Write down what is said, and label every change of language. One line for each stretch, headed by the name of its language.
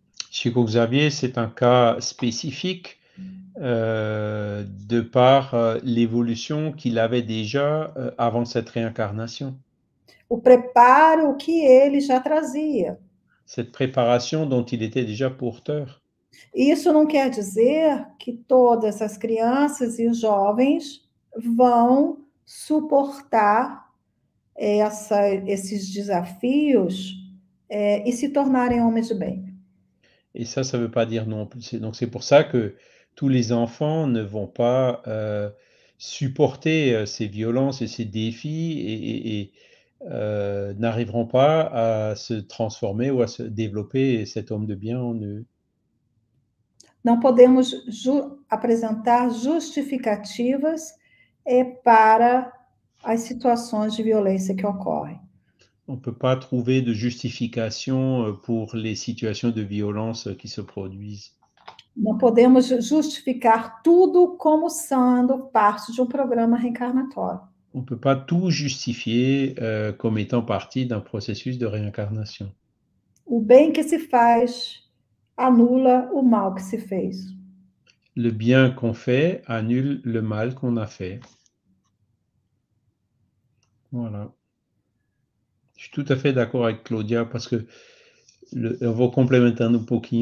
French: Chico Xavier, c'est un cas spécifique. De par l'évolution qu'il avait déjà avant cette réincarnation.
Portuguese: O preparo que ele já trazia.
French: Cette préparation dont il était déjà porteur.
Portuguese: Isso não quer dizer que todas as crianças e os jovens vão suportar esses desafios e se tornarem homens de bem.
French: Et ça veut pas dire non plus. Donc c'est pour ça que tous les enfants ne vont pas supporter ces violences et ces défis et n'arriveront pas à se transformer ou à se développer cet homme de bien en eux.
Portuguese: Não podemos ju apresentar justificativas para as situações de violência que ocorrem.
French: On ne peut pas trouver de justification pour les situations de violence qui se produisent.
Portuguese: Não podemos justificar tudo como sendo parte de um programa reencarnatório.
French: On ne peut pas tout justifier comme étant partie d'un processus de réincarnation.
Portuguese: O bem que se faz anula o mal que se fez.
French: Le bien qu'on fait annule le mal qu'on a fait. Voilà. Je suis tout à fait d'accord avec Claudia parce que on va complémenter un peu.